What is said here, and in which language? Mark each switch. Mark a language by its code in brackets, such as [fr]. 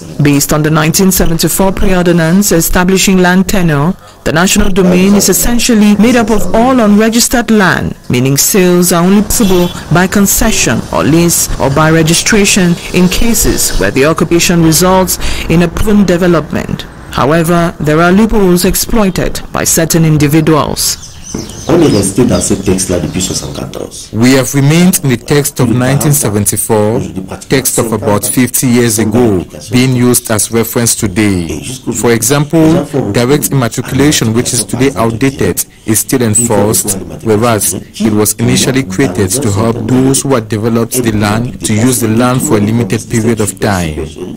[en] Based on the 1974 pre-ordinance establishing land tenure, the national domain is essentially made up of all unregistered land, meaning sales are only possible by concession or lease or by registration in cases where the occupation results in a proven development. However, there are loopholes exploited by certain individuals. [fr] On est resté dans ce texte-là depuis 1974. [en] We have remained in the text of 1974, text of about 50 years ago, being used as reference today. For example, direct immatriculation, which is today outdated, is still enforced, whereas it was initially created to help those who had developed the land to use the land for a limited period of time.